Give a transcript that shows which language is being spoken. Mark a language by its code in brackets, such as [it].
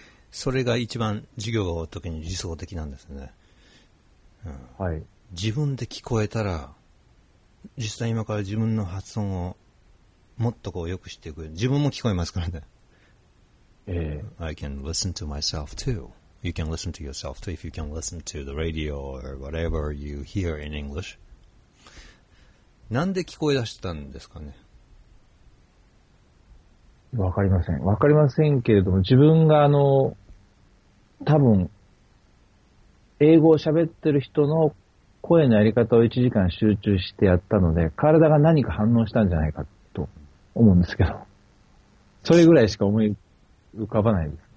[ja] それが一番授業が終わった時に理想的なんですね、はい、自分で聞こえたら実際今から自分の発音をもっとこう良くしていく、自分も聞こえますからね、 [en] I can listen to myself too. You can listen to yourself too if you can listen to the radio or whatever you hear in English. [ja] なんで聞こえ出してたんですかね。わかりません。わかりませんけれども、自分が多分、英語を喋ってる人の声のやり方を1時間集中してやったので、体が何か反応したんじゃないかと思うんですけど、それぐらいしか思い浮かばないです。